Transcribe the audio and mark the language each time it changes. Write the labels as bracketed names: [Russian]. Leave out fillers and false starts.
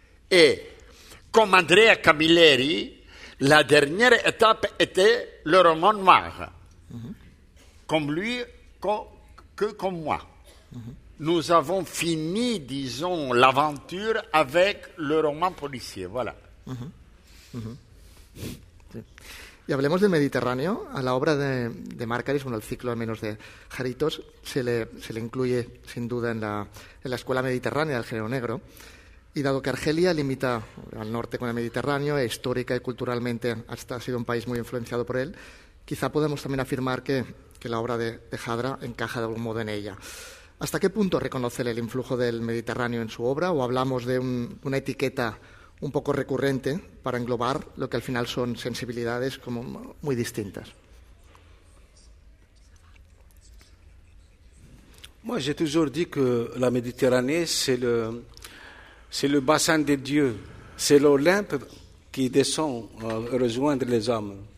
[French] Et comme Andrea Camilleri, la dernière étape était le roman noir. Comme lui, que comme moi. Nous avons fini, disons, l'aventure avec le roman policier. Voilà. [Spanish] Y hablemos del Mediterráneo. A la obra de Márcaris, bueno, el ciclo al menos de Jaritos, se le incluye sin duda en la escuela mediterránea del género negro. Y dado que Argelia limita al norte con el Mediterráneo, e histórica y culturalmente hasta ha sido un país muy influenciado por él, quizá podemos también afirmar que la obra de Jadra encaja de algún modo en ella. ¿Hasta qué punto reconoce el influjo del Mediterráneo en su obra? ¿O hablamos de una etiqueta un poco recurrente para englobar lo que al final son sensibilidades como muy distintas? [French] Moi, j'ai toujours dit que la Méditerranée, c'est le bassin de Dieu, c'est l'Olympe qui descend rejoindre les hommes.